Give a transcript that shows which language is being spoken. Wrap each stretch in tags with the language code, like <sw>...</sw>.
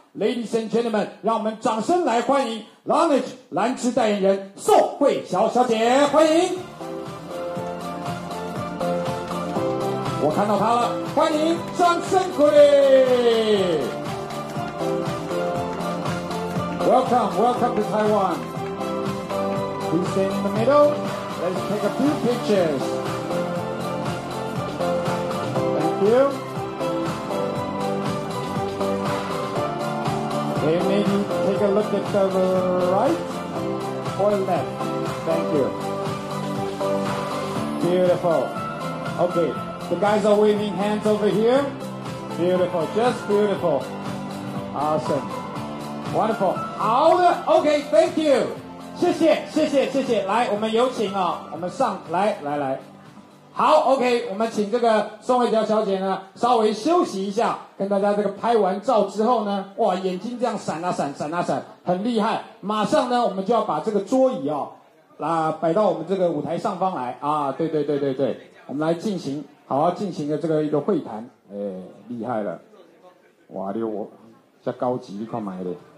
<en>Ladies and gentlemen，</en> <zh>让我们掌声来欢迎 Laneige 兰芝代言人宋慧乔小姐，欢迎。我看到她了，欢迎，掌声鼓励。</zh> <en>Welcome to Taiwan. Please stand in the middle. Let's take a few pictures. Thank you. Okay, maybe take a look at the right or left. Thank you. Beautiful. Okay, the guys are waving hands over here. Beautiful, just beautiful. Awesome. Wonderful.</en> <zh>好的</zh> <en>okay, thank you.</en> <zh>谢谢谢谢谢谢来我们有请我们上来来来。好 ,OK, 我们请这个宋慧乔小姐呢稍微休息一下，跟大家这个拍完照之后呢，哇眼睛这样闪啊闪闪啊闪很厉害，马上呢我们就要把这个桌椅摆到我们这个舞台上方来对对对对对，我们来进行好好进行的这个一个会谈厉害了，哇你我这高级你看买的</zh>